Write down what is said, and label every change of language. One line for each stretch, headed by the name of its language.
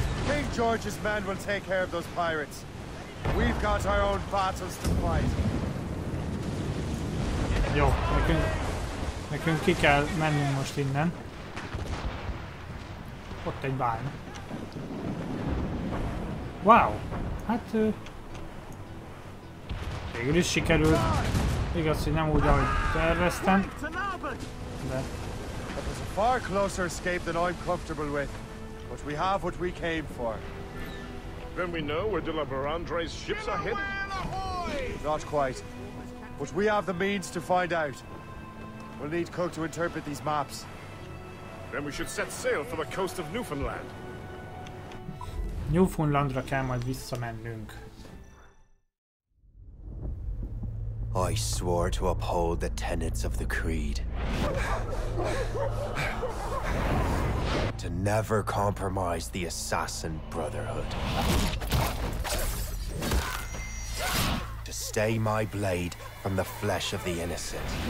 English: King George's men will take care of those pirates. We've got our own battles to fight.
Hungarian: Jó, nekünk ki kell mennünk most innen. Ott egy bálna. Wow! Hát... végül is sikerült. Igaz, hogy nem úgy, ahogy terveztem. De...
English: That was a far closer escape than I'm comfortable with. But we have what we came for. Then we know where de la Verandre's ships are hidden? Not quite. But we have the means to find out. We'll need Cook to interpret these maps. Then we should set sail for the coast of Newfoundland.
Hungarian: Newfoundlandra kell majd visszamennünk.
English: I swore to uphold the tenets of the creed. To never compromise the Assassin Brotherhood. To stay my blade from the flesh of the innocent.